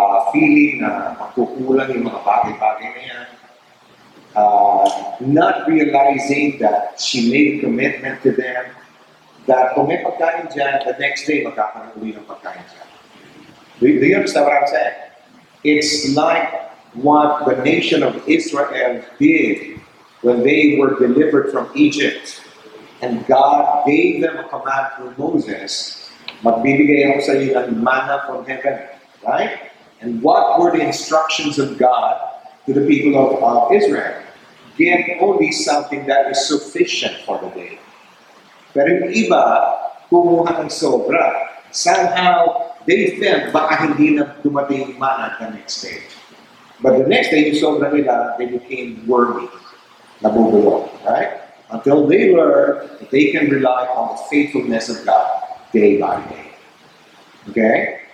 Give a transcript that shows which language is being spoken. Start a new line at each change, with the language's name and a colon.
Filipino: Feeling na makukulang yung mga bagay-bagay na yan.
English: Not realizing that she made a commitment to them.
Filipino: That kung may pagkain dyan,
English: the next day
Filipino: magkakaroon yung pagkain dyan.
English: Do you understand what I'm saying? It's like what the nation of Israel did when they were delivered from Egypt and God gave them a command through Moses,
Filipino: magbibigay ako sa iyo ng
English: manna from heaven, right? And what were the instructions of God to the people of Israel? Give only something that is sufficient for the day.
Filipino: Pero yung iba, kumuha ng sobra.
English: Somehow, they felt
Filipino: baka hindi na dumating mana
English: the next day. But the next day, you saw
Filipino: na nila,
English: they became worthy.
Filipino: Nabubulong,
English: right? Until they learn that they can rely on the faithfulness of God day by day. Okay?